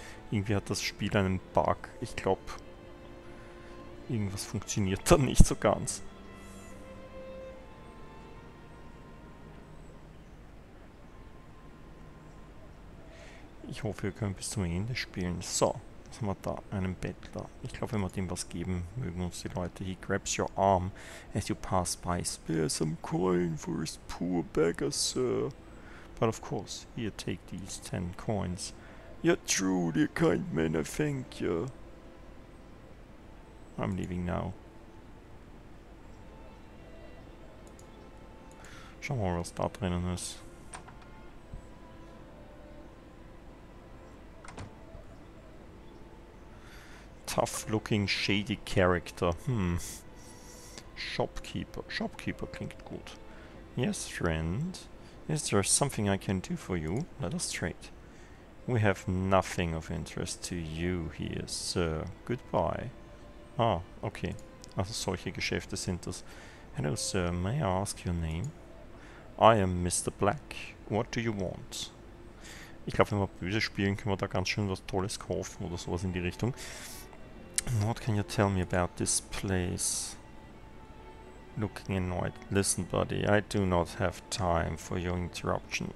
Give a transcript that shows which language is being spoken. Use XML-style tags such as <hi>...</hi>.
<de>Irgendwie hat das Spiel einen Bug. Ich glaube, irgendwas funktioniert da nicht so ganz. Ich hoffe, wir können bis zum Ende spielen. So, jetzt haben wir da einen Bettler. Ich glaube, wenn wir dem was geben, mögen uns die Leute.</de> <en>He grabs your arm as you pass by. Spare some coin for his poor beggar, sir. But of course, here, take these 10 coins. You're true, dear kind man, I thank you. I'm leaving now.</en> <de>Schauen wir mal, was da drinnen ist.</de> <en>Tough looking shady character. Shopkeeper.</en> <de>Shopkeeper klingt gut.</de> <en>Yes, friend. Is there something I can do for you? Let us trade. We have nothing of interest to you here, sir. Goodbye.</en> <de>Ah, okay. Also solche Geschäfte sind das.</de> <en>Hello, sir. May I ask your name? I am Mr. Black. What do you want?</en> <de>Ich glaube, wenn wir böse spielen, können wir da ganz schön was Tolles kaufen oder sowas in die Richtung.</de> <en>What can you tell me about this place? Looking annoyed. Listen, buddy, I do not have time for your interruption.</en>